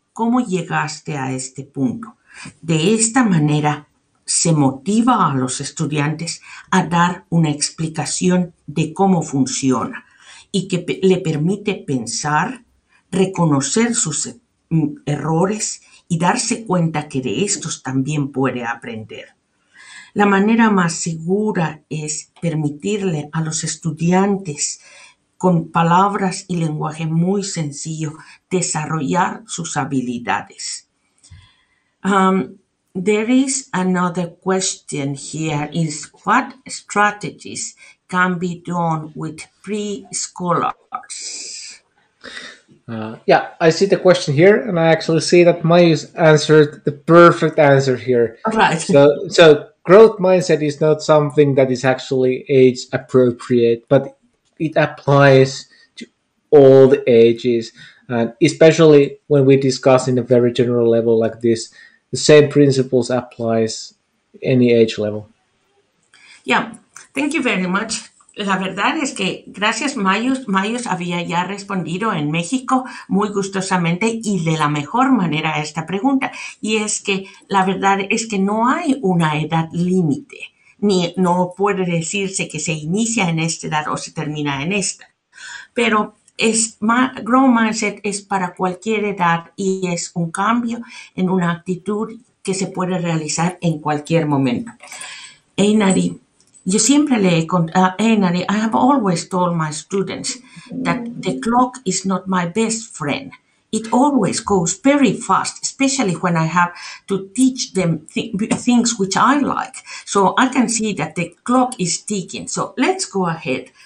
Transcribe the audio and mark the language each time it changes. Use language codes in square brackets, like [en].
[es] ¿Cómo llegaste a este punto? De esta manera, se motiva a los estudiantes a dar una explicación de cómo funciona y que pe le permite pensar, reconocer sus errores y darse cuenta que de estos también puede aprender. La manera más segura es permitirle a los estudiantes con palabras y lenguaje muy sencillo desarrollar sus habilidades. [en] There is another question here is what strategies can be done with preschoolers? Yeah, I see the question here and I actually see that Mayus answered the perfect answer here. Right. So growth mindset is not something that is actually age appropriate, but it applies to all the ages, and especially when we discuss in a very general level like this, the same principles applies any age level. Yeah, thank you very much. [es] La verdad es que gracias Mayus. Mayus había ya respondido en México muy gustosamente y de la mejor manera a esta pregunta. Y es que la verdad es que no hay una edad límite, ni no puede decirse que se inicia en esta edad o se termina en esta. Pero Grow Mindset es para cualquier edad y es un cambio en una actitud que se puede realizar en cualquier momento. [en] Einari, [es] yo siempre le he contado, [en] Einari, I have always told my students that the clock is not my best friend. It always goes very fast, especially when I have to teach them things which I like. So I can see that the clock is ticking. So let's go ahead.